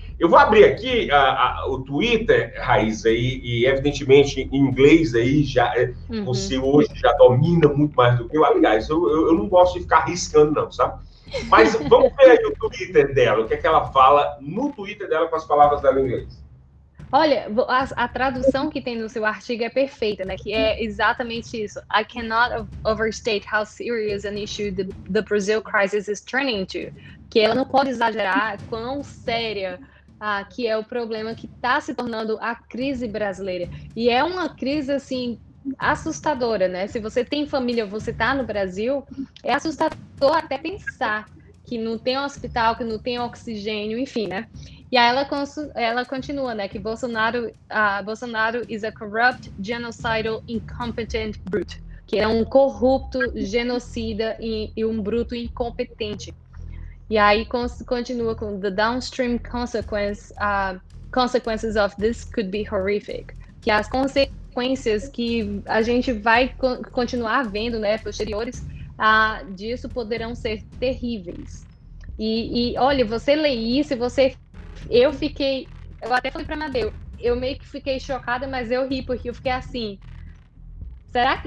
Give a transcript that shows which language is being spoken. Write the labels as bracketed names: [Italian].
[Portuguese] Eu vou abrir aqui o Twitter, Raíza, e evidentemente em inglês aí, já, você hoje já domina muito mais do que eu. Aliás, eu não gosto de ficar arriscando não, sabe? Mas vamos ver aí o Twitter dela, o que é que ela fala no Twitter dela com as palavras dela em inglês. Olha, a tradução que tem no seu artigo é perfeita, né? Que é exatamente isso. [English] I cannot overstate how serious an issue the Brazil crisis is turning to. [Portuguese] Que ela não pode exagerar quão séria que é o problema que está se tornando a crise brasileira. E é uma crise, assim, assustadora, né? Se você tem família, você tá no Brasil, é assustador até pensar que não tem hospital, que não tem oxigênio, enfim, né? E aí ela continua, né? Que [English] Bolsonaro is a corrupt, genocidal, incompetent brute. [Portuguese] Que é um corrupto, genocida e um bruto incompetente. E aí continua com [English] the downstream consequences of this could be horrific. [Portuguese] Que as consequências que a gente vai continuar vendo, né, posteriores disso poderão ser terríveis. E olha, você lê isso e você... Eu até falei pra Madeu, eu meio que fiquei chocada, mas eu ri porque eu fiquei assim... Será que...